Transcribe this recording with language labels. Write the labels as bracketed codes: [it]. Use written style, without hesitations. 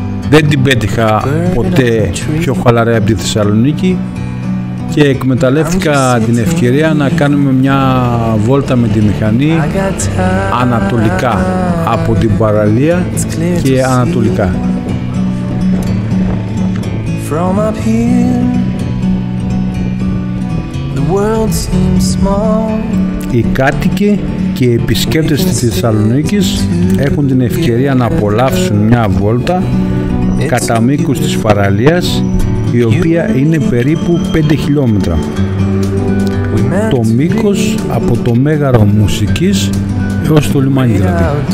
[el] Δεν την πέτυχα ποτέ πιο χαλαρέ από τη Θεσσαλονίκη και εκμεταλλεύτηκα την ευκαιρία να κάνουμε μια βόλτα με τη μηχανή ανατολικά από την παραλία και ανατολικά. [en] From up here, the world seems small. [el] Οι κάτοικοι και οι επισκέπτες της Θεσσαλονίκης έχουν την ευκαιρία να απολαύσουν μια βόλτα κατά μήκους της παραλίας, η οποία είναι περίπου 5 χιλιόμετρα. Το μήκος από το Μέγαρο Μουσικής έως το λιμάνι δηλαδή.